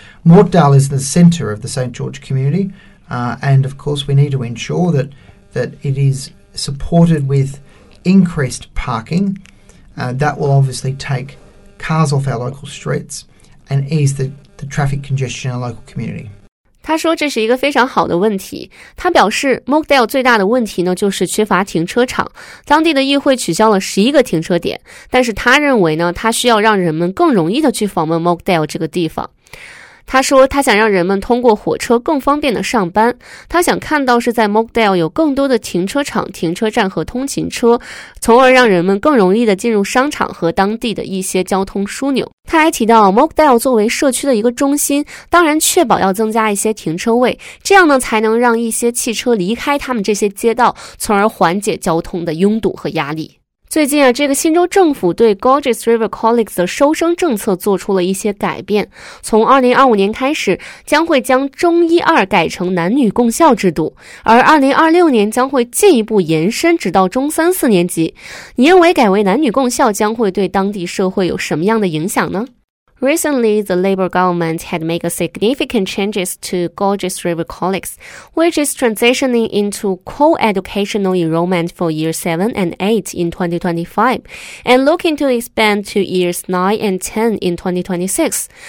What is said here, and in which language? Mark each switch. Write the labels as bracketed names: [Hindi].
[English] Mortdale is the centre of the St. George community, and of course we need to ensure that it is supported with increased parking. That will obviously take cars off our local streets and ease the traffic congestion in our local community. [Chinese] 他说这是一个非常好的问题。他表示 Mockdale 最大的问题呢，就是缺乏停车场。当地的议会取消了11个停车点，但是他认为呢，他需要让人们更容易的去访问 Mockdale 这个地方。他说他想让人们通过火车更方便的上班。他想看到是在 Mockdale 有更多的停车场、停车站和通勤车，从而让人们更容易的进入商场和当地的一些交通枢纽。他还提到 Mockdale 作为社区的一个中心，当然确保要增加一些停车位，这样呢才能让一些汽车离开他们这些街道，从而缓解交通的拥堵和压力。最近啊，这个新州政府对 Gorges River College 的收生政策做出了一些改变。从2025年开始，将会将中一二改成男女共校制度，而2026年将会进一步延伸直到中三四年级。你认为改为男女共校将会对当地社会有什么样的影响呢？ [English] Recently, the Labor government had made a significant changes to Gorges River College, which is transitioning into co-educational enrollment for years 7 and 8 in 2025, and looking to expand to years 9 and 10 in 2026.